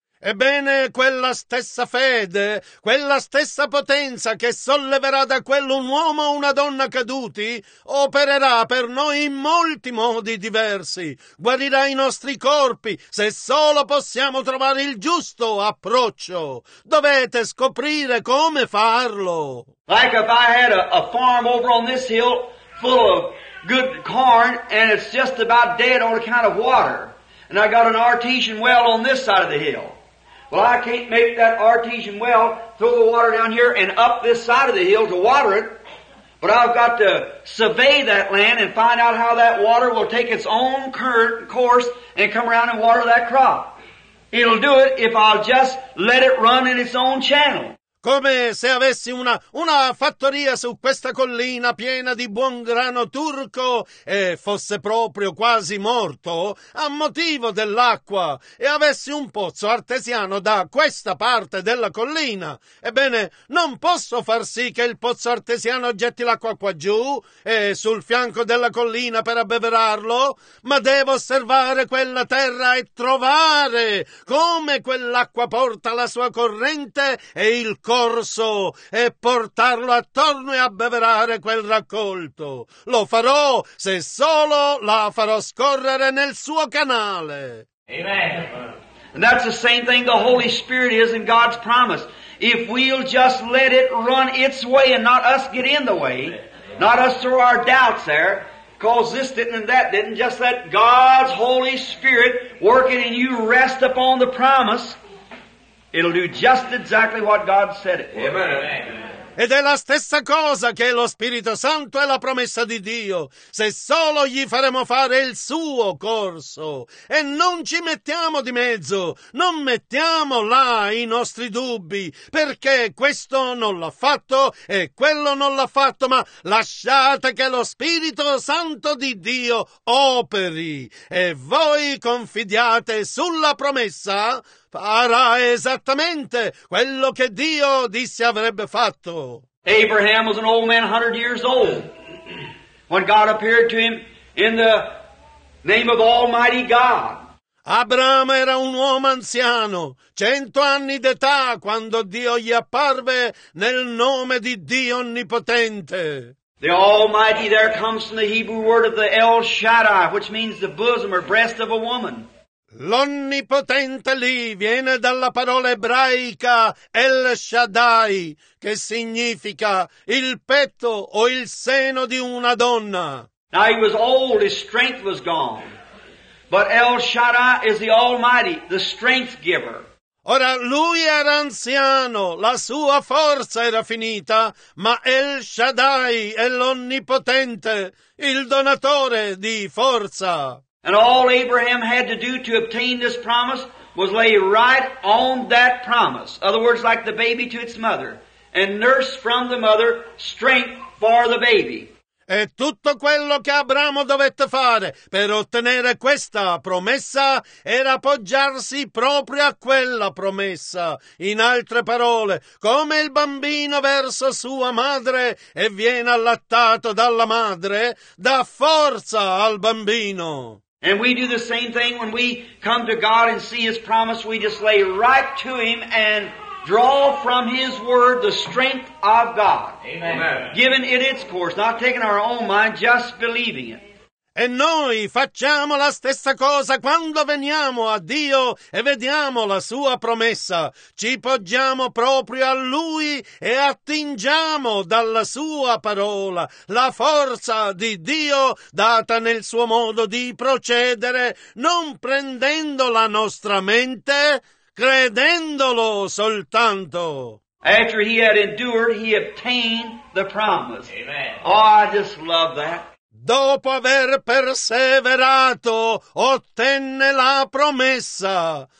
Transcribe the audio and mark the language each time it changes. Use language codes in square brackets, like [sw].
[it] Ebbene, quella stessa fede, quella stessa potenza che solleverà da quello un uomo o una donna caduti, opererà per noi in molti modi diversi. Guarirà i nostri corpi se solo possiamo trovare il giusto approccio. Dovete scoprire come farlo. [en] Like if I had a farm over on this hill full of good corn and it's just about dead on account of water. And I got an artesian well on this side of the hill. Well, I can't make that artesian well, throw the water down here and up this side of the hill to water it. But I've got to survey that land and find out how that water will take its own current course and come around and water that crop. It'll do it if I'll just let it run in its own channel. [it] Come se avessi una fattoria su questa collina piena di buon grano turco e fosse proprio quasi morto a motivo dell'acqua e avessi un pozzo artesiano da questa parte della collina, ebbene, non posso far sì che il pozzo artesiano getti l'acqua qua giù e sul fianco della collina per abbeverarlo, ma devo osservare quella terra e trovare come quell'acqua porta la sua corrente e il corso e portarlo attorno e abbeverare quel raccolto. Lo farò se solo la farò scorrere nel suo canale. Amen. [en] And that's the same thing the Holy Spirit is in God's promise. If we'll just let it run its way and not us get in the way, not us throw our doubts there, cause this didn't and that didn't, just let God's Holy Spirit working in you rest upon the promise. It'll do just exactly what God said it would. Amen. [it] Ed è la stessa cosa che lo Spirito Santo è la promessa di Dio, se solo gli faremo fare il suo corso. E non ci mettiamo di mezzo, non mettiamo là i nostri dubbi, perché questo non l'ha fatto e quello non l'ha fatto, ma lasciate che lo Spirito Santo di Dio operi. E voi confidiate sulla promessa... farà esattamente quello che Dio disse avrebbe fatto. [en] Abraham was an old man, 100 years old, when God appeared to him in the name of Almighty God. [it] Abramo era un uomo anziano, 100 anni d'età, quando Dio gli apparve nel nome di Dio Onnipotente. [en] The Almighty there comes from the Hebrew word of the El Shaddai, which means the bosom or breast of a woman. [it] L'Onnipotente lì viene dalla parola ebraica El Shaddai, che significa il petto o il seno di una donna. [en] Now he was old, his strength was gone. But El Shaddai is the Almighty, the strength giver. [it] Ora lui era anziano, la sua forza era finita, ma El Shaddai è l'Onnipotente, il donatore di forza. [en] And all Abraham had to do to obtain this promise was lay right on that promise. In other words, like the baby to its mother, and nurse from the mother strength for the baby. [it] E tutto quello che Abramo dovette fare per ottenere questa promessa era appoggiarsi proprio a quella promessa. In altre parole, come il bambino verso sua madre e viene allattato dalla madre, dà forza al bambino. [en] And we do the same thing when we come to God and see His promise, we just lay right to Him and draw from His word the strength of God. Amen. Giving it its course, not taking our own mind, just believing it. [it] E noi facciamo la stessa cosa quando veniamo a Dio e vediamo la Sua promessa. Ci poggiamo proprio a Lui e attingiamo dalla Sua parola la forza di Dio data nel Suo modo di procedere, non prendendo la nostra mente, credendolo soltanto. [en] After he had endured, he obtained the promise. Amen. Oh, I just love that. [it] Dopo aver perseverato, ottenne la promessa.